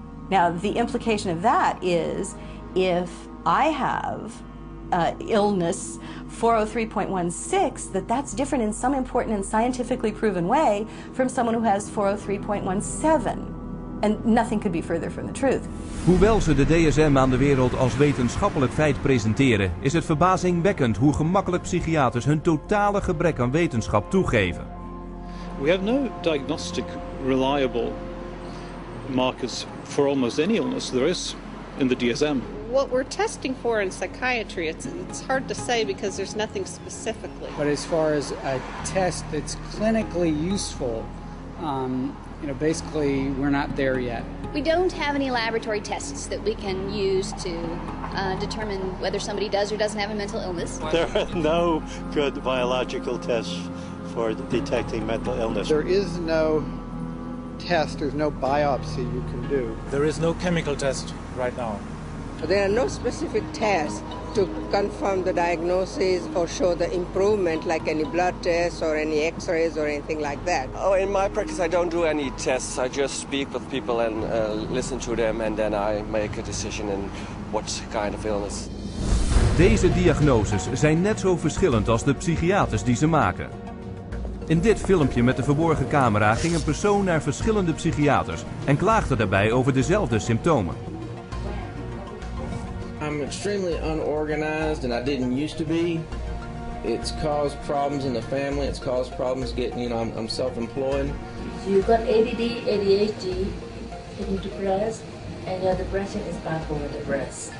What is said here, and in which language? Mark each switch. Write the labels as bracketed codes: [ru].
[en] Now, the implication of that is if I have illness 403.16, that's different in some important and scientifically proven way from someone who has 403.17. And nothing could be further from the truth. [nl] Hoewel ze de DSM aan de wereld als wetenschappelijk feit presenteren, is het verbazingwekkend hoe gemakkelijk psychiaters hun totale gebrek aan wetenschap toegeven. [en] We have no diagnostic reliable markers for almost any illness there is in the DSM. What we're testing for in psychiatry, it's hard to say because there's nothing specifically. But as far as a test that's clinically useful, basically we're not there yet. We don't have any laboratory tests that we can use to determine whether somebody does or doesn't have a mental illness. There are no good biological tests for detecting mental illness. There is no test, there's no biopsy you can do. There is no chemical test right now. There are no specific tests to confirm the diagnosis or show the improvement, like any blood tests or any x-rays or anything like that. Oh, in my practice, I don't do any tests. I just speak with people and listen to them, and then I make a decision in what kind of illness. [nl] Deze diagnoses zijn net zo verschillend als de psychiaters die ze maken. In dit filmpje met de verborgen camera ging een persoon naar verschillende psychiaters en klaagde daarbij over dezelfde symptomen. [en] I'm extremely unorganized and I didn't used to be. It's caused problems in the family, it's caused problems getting, I'm self-employed. So you've got ADD, ADHD, and you're depressed, and your depression is bipolar depressed.